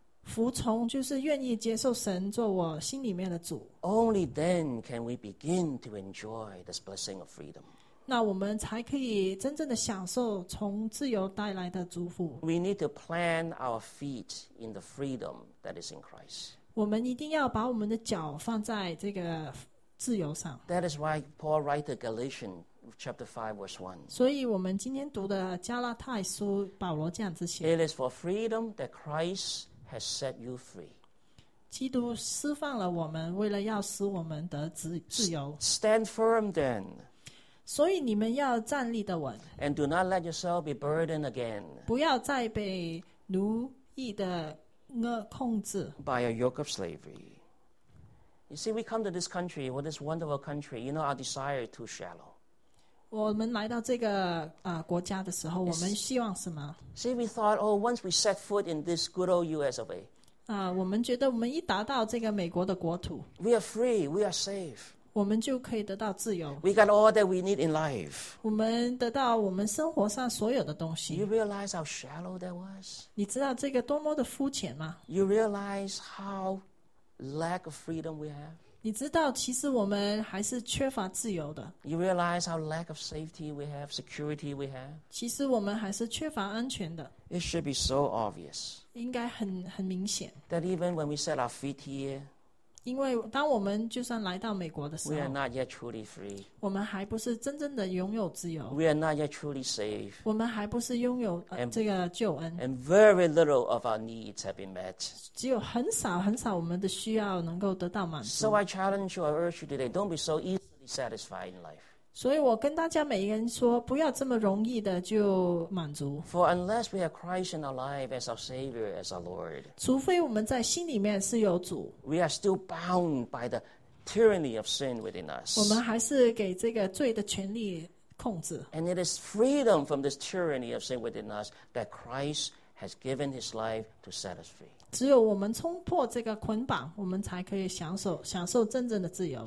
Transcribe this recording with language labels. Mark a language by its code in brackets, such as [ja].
[zh] 服从，就是愿意接受神做我心里面的主。 [en] Only then can we begin to enjoy this blessing of freedom. [zh] 那我们才可以真正的享受从自由带来的祝福。 [en] We need to plant our feet in the freedom that is in Christ. [zh] 我们一定要把我们的脚放在这个自由上。 [en] That is why Paul writes Galatians chapter 5 verse 1. [zh] 所以我们今天读的加拉太书，保罗这样子写。 [en] It is for freedom that Christ has set you free. [zh] 基督释放了我们，为了要使我们得自由。 [en] Stand firm then. [zh] 所以你们要站立的稳。 [en] And do not let yourself be burdened again. [zh] 不要再被奴役的控制。 [en] By a yoke of slavery. You see, we come to this country, well, this wonderful country, you know, our desire is too shallow. [zh] 我们来到这个国家的时候，我们希望什么？ [en] See, we thought, oh, once we set foot in this good old U.S. of A. [zh] 我们觉得我们一达到这个美国的国土， [en] we are free, we are safe. [zh] 我们就可以得到自由。 [en] We got all that we need in life. [zh] 我们得到我们生活上所有的东西。 [en] You realize how shallow that was? [zh] 你知道这个多么的肤浅吗？ [en] You realize how lack of freedom we have? [zh] 你知道其实我们还是缺乏自由的。 [en] You realize how lack of safety we have, security we have? [zh] 其实我们还是缺乏安全的。 [en] It should be so obvious. [zh] 应该很明显。 [en] That even when we set our feet here, [zh] 因为当我们就算来到美国的时候， [en] we are not yet truly free. [zh] 我们还不是真正的拥有自由。 [en] We are not yet truly safe. [zh] 我们还不是拥有这个救恩。 [en] And very little of our needs have been met. [zh] 只有很少很少我们的需要能够得到满足。 [en] So I challenge you, I urge you today, don't be so easily satisfied in life. [zh] 所以我跟大家每一个人说，不要这么容易的就满足。 [en] For unless we have Christ in our life as our Savior, as our Lord, [zh] 除非我们在心里面是有主， [en] we are still bound by the tyranny of sin within us. [zh] 我们还是给这个罪的权力控制。 [en] And it is freedom from this tyranny of sin within us that Christ has given his life to set us free. [zh] 只有我们冲破这个捆绑，我们才可以享受真正的自由。